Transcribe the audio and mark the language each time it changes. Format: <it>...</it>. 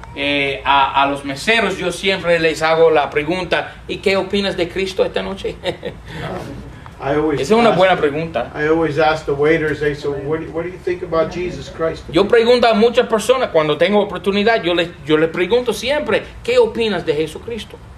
<es>A los meseros yo siempre les hago la pregunta, ¿y qué opinas de Cristo esta noche? Esa es una buena pregunta.</es> <en>I always ask the waiters, hey, so what do you think about Jesus Christ?</en> <es>Yo pregunto a muchas personas cuando tengo oportunidad, yo les pregunto siempre, ¿qué opinas de Jesucristo?</es>